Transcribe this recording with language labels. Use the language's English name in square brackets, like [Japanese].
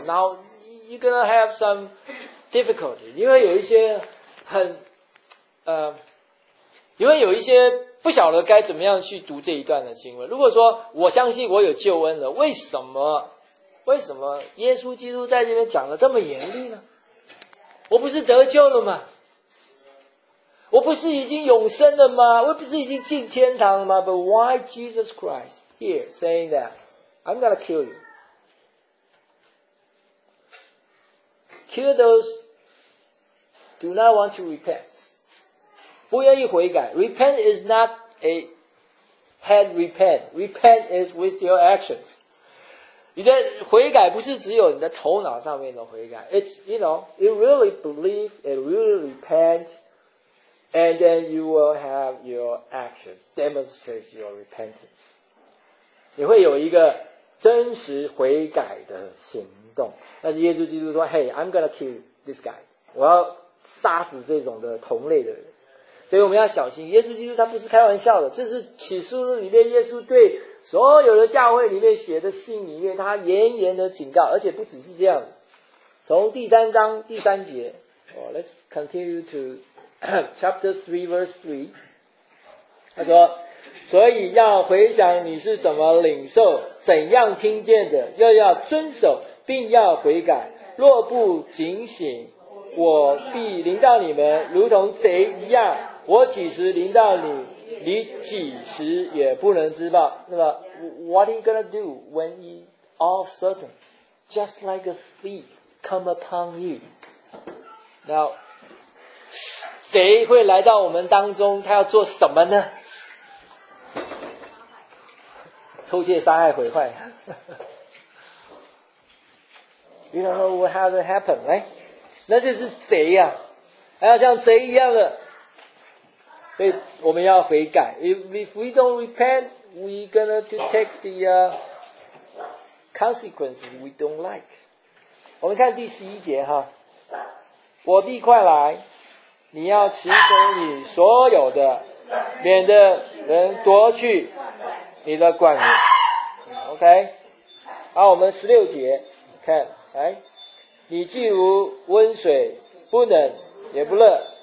[Chinese] 然后 [English] you're gonna have some difficulty, [Chinese] 因为有一些很因为有一些不晓得该怎么样去读这一段的经文。如果说我相信我有救恩了，为什么耶稣基督在这边讲的这么严厉呢？我不是得救了吗？我不是已经永生了吗？我不是已经进天堂了吗？ [English] But why Jesus Christ here saying that I'm gonna kill you? Kill those do not want to repent. [Chinese] 不愿意悔改。 [English] Repent is not a head repent. Repent is with your actions. [Chinese] 你的悔改不是只有你的头脑上面的悔改。 [English] It's, you know, you really believe and really repent, and then you will have your action demonstrate your repentance. [Chinese] 你会有一个真实悔改的行动。但是耶稣基督说 [English] Hey, I'm gonna kill this guy. [Chinese] 我要杀死这种的同类的人。所以我们要小心，耶稣基督他不是开玩笑的，这是启示录里面耶稣对所有的教会里面写的信里面他严严的警告，而且不只是这样。从第三章第三节、 [English] oh, Let's continue to chapter 3 verse 3， [Chinese] 他说所以要回想你是怎么领受，怎样听见的，又要遵守，并要悔改。若不警醒，我必临到你们，如同贼一样。我几时临到你，你几时也不能知道。那么 [English] ，What are you gonna do when he all of a sudden, just like a thief, come upon you? [Chinese] Now, 贼会来到我们当中，他要做什么呢？偷窃、杀害、毁坏。 [English] You don't know what happened, right? [Chinese] 那就是贼啊，还要像贼一样的。所以我们要悔改。 [English] If we don't repent, we gonna to take the consequences we don't like. [Chinese] 我们看第十一节哈，我必快来，你要持守你所有的，免得人夺去你的冠冕。 OK， 好，我们十六节看，来，你既如温水，不冷也不热。